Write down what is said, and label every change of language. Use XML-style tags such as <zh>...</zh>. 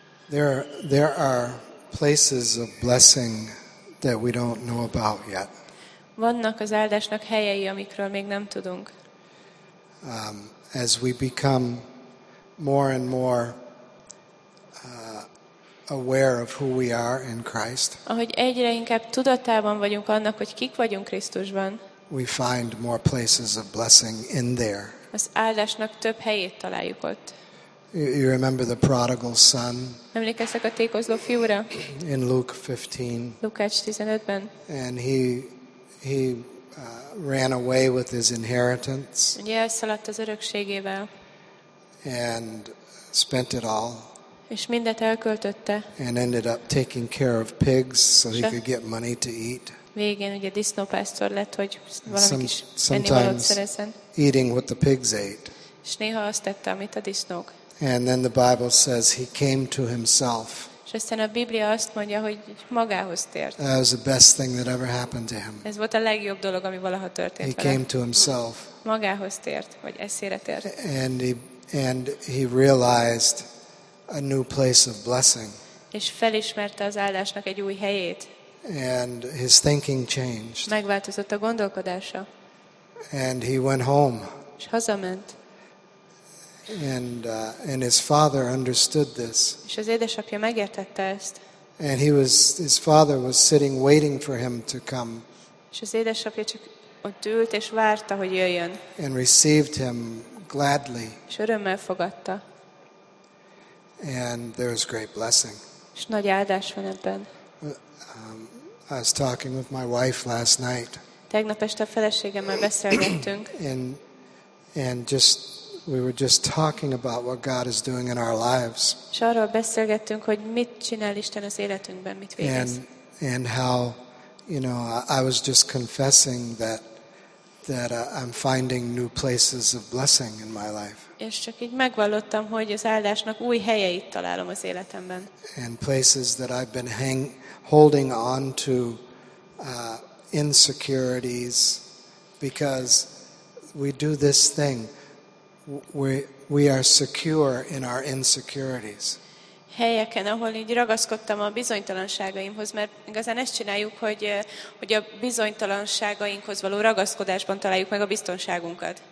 <en>There are places of blessing that we don't know about yet.</en> <hu>Vannak az áldásnak helyei, amikről még nem tudunk.</hu> <en>As we become more and more aware of who we are in Christ,</en> <hu>ahogy egyre inkább tudatában vagyunk annak, hogy kik vagyunk Krisztusban,</hu> <en>we find more places of blessing in there.</en> <hu>Az áldásnak több helyét találjuk ott.</hu> <en>You remember the prodigal son?</en> <hu>Emlékeztek a tékozló fiúra?</hu> <en>In Luke 15.</en> <hu>Lukács 15-ben.</hu> <en>And he ran away with his inheritance.</en> <hu>Ugye elszaladt az örökségével.</hu> <en>And spent it all.</en> <hu>És mindet elköltötte.</hu> <en>And ended up taking care of pigs so he could get money to eat.</en> <hu>Végén ugye disznópásztor lett, hogy valami kis ennivalót szerezzen.</hu> <en>Eating what the pigs ate.</en> <hu>És néha azt tette, amit a disznók.</hu> <en>And then the Bible says he came to himself.</en> <hu>És aztán a Biblia azt mondja, hogy magához tért.</hu> <en>That was the best thing that ever happened to him.</en> <hu>Ez volt a legjobb dolog, ami valaha történt vele.</hu> <en>He came to himself.</en> <hu>Magához tért, vagy eszére tért.</hu> <en>And he realized a new place of blessing.</en> <hu>És felismerte az áldásnak egy új helyét.</hu> <en>And his thinking changed.</en> <hu>Megváltozott a gondolkodása.</hu> <en>And he went home.</en> <hu>És hazament.</hu> <en>And his father understood this.</en> <hu>És az édesapja megértette ezt.</hu> <en>And his father was sitting waiting for him to come.</en> <hu>És az édesapja csak ott ült és várta, hogy jöjjön.</hu> <en>And received him gladly.</en> <hu>És örömmel fogadta.</hu> <en>And there was great blessing.</en> <hu>És nagy áldás van ebben.</hu> <en>I was talking with my wife last night.</en> <hu>Tegnap este a feleségemmel beszélgettünk.</hu> <en>And just we were just talking about what God is doing in our lives.</en> <hu>És arról beszélgettünk, hogy mit csinál Isten az életünkben, mit végez.</hu> <en>And how, you know, I was just confessing that I'm finding new places of blessing in my life.</en> <hu>És csak így megvallottam, hogy az áldásnak új helyeit találom az életemben.</hu> <en>And places that I've been holding on to insecurities, because we do this thing. We are secure in our insecurities.</en> <hu>Helyeken, ahol így ragaszkodtam a bizonytalanságaimhoz, mert igazán ezt csináljuk, hogy a bizonytalanságainkhoz való ragaszkodásban találjuk meg a biztonságunkat.</hu>